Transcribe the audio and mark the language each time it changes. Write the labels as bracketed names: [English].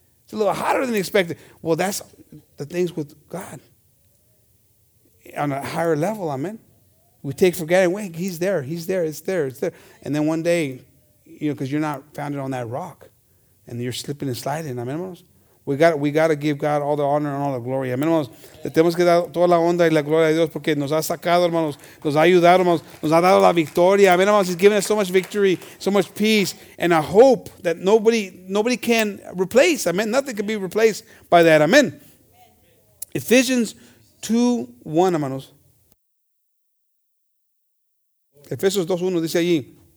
[English] It's a little hotter than expected. Well, that's the things with God. on a higher level, amen. We take for granted, wait, he's there, he's there, it's there, it's there. And then one day, you know, because you're not founded on that rock, and you're slipping and sliding, amen. We got to give God all the honor and all the glory. [Spanish] Amén, hermanos. Le tenemos que dar toda la honra y la gloria a Dios porque nos ha sacado, hermanos. Nos ha ayudado, hermanos. Nos ha dado la victoria. Amén, hermanos. [English] He's given us so much victory, so much peace, and a hope that nobody can replace. Amén. Nothing can be replaced by that. Amén. Ephesians 2:1, hermanos. [Spanish] Efesios 2:1 dice allí.